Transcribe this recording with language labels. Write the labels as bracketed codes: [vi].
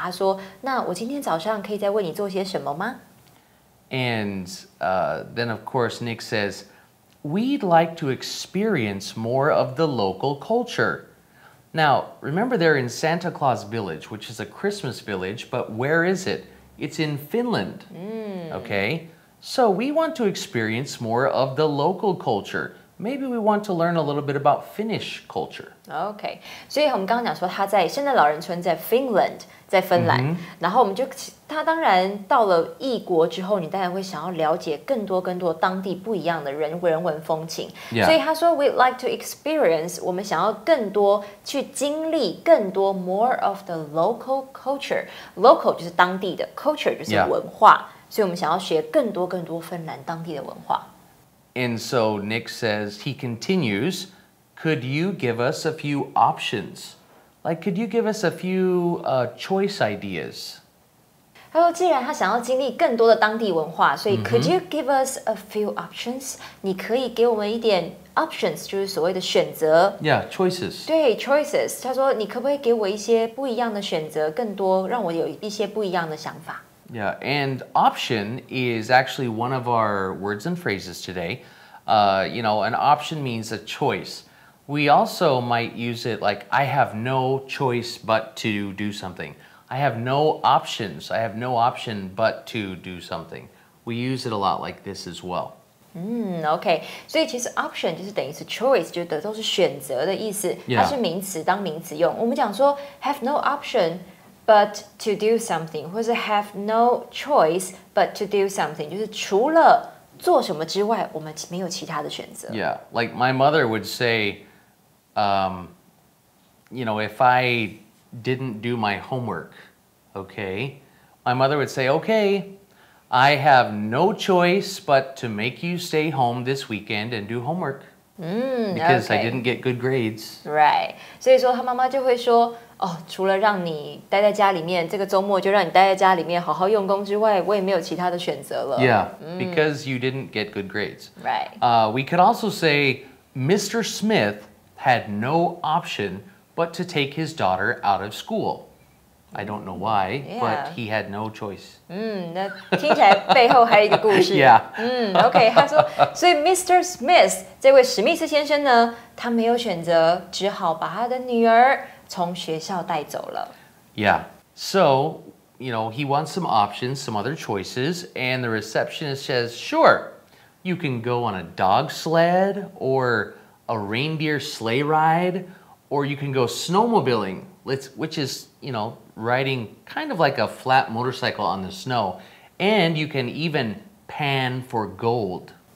[zh] 他说那我今天早上可以再为你做些什么吗 [en] ？And then of course Nick says, "We'd like to experience more of the local culture." Now, remember they're in Santa Claus Village, which is a Christmas village, but where is it? It's in Finland. Okay? So we want to experience more of the local culture. Maybe we want to learn a little bit about Finnish culture. [zh] Okay, 所以我们刚刚讲说他在圣诞老人村在 Finland, 在芬兰、mm-hmm. 然后我们就他当然到了异国之后你当然会想要了解更多更多当地不一样的人文风情、 [en] yeah. [zh] 所以他说 [en] we'd like to experience, [zh] 我们想要更多去经历更多 [en] more of the local culture. [zh] Local 就是当地的 culture 就是文化、 [en] yeah. [zh] 所以我们想要学更多更多芬兰当地的文化。 [en] And so Nick says, he continues, could you give us a few options? Like, could you give us a few choice ideas? [zh] 他说既然他想要经历更多的当地文化, 所以 [en] could you give us a few options? [zh] 你可以给我们一点 options, 就是所谓的选择。 [en] Yeah, choices. [zh] 对, choices. 他说你可不可以给我一些不一样的选择, 更多, 让我有一些不一样的想法。 [en] Yeah, and option is actually one of our words and phrases today. You know, an option means a choice. We also might use it like, I have no choice but to do something. I have no options. I have no option but to do something. We use it a lot like this as well. [zh] Okay, 所以其实 option 就是等于是 choice, 就是都是选择的意思, [en] yeah. [zh] 它是名词, 当名词用, 我们讲说 [en] have no option but to do something, [zh] 或是 have no choice but to do something, 就是除了做什么之外, 我们没有其他的选择。 [en] Yeah, like my mother would say, you know, if I didn't do my homework, okay, my mother would say, okay, I have no choice but to make you stay home this weekend and do homework. Because okay. I didn't get good grades. Right. [zh] 所以说他妈妈就会说, 除了让你待在家里面,这个周末就让你待在家里面好好用功之外, 我也没有其他的选择了。 [en] Yeah, because you didn't get good grades. Right. We could also say, Mr. Smith had no option but to take his daughter out of school. I don't know why, yeah. but he had no choice. [zh] 那听起来背后还有一个故事。 [en] Yeah. [zh] Okay, 他说,所以 Mr. Smith, 这位史密斯先生呢, 他没有选择, 只好把他的女儿从学校带走了。 [en] Yeah. So, you know, he wants some options, some other choices, and the receptionist says, sure, you can go on a dog sled, or a reindeer sleigh ride, or you can go snowmobiling, which is, you know, riding kind of like a flat motorcycle on the snow, and you can even pan for gold.